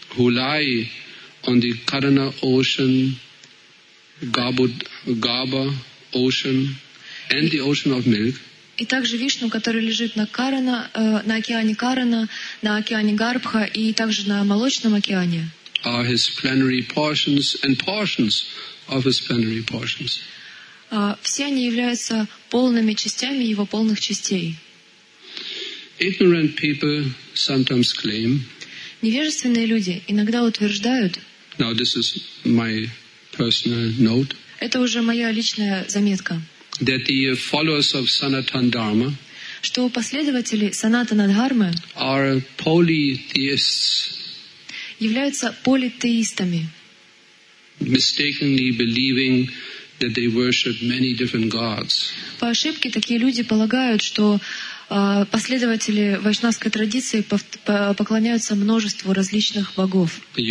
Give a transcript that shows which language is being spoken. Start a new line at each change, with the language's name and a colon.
English: Who lie on the Karana ocean, Gaba ocean. and the ocean of milk.
Russian: И также Вишну, который лежит на Карана, на океане Карана, на океане Гарбха и также на молочном океане.
English: Are his plenary portions and portions of his plenary portions.
Russian: Все они являются полными частями его полных частей.
English: Ignorant people sometimes claim.
Russian: Невежественные люди иногда утверждают.
English: Now this is my personal note.
Russian: Это уже моя личная заметка.
English: That the followers of Sanatana Dharma,
Russian: что последователи Санатана Дхармы,
English: are polytheists,
Russian: являются политеистами,
English: mistakenly believing that they worship many different gods.
Russian: По ошибке такие люди полагают, что последователи вайшнавской традиции поклоняются множеству различных богов.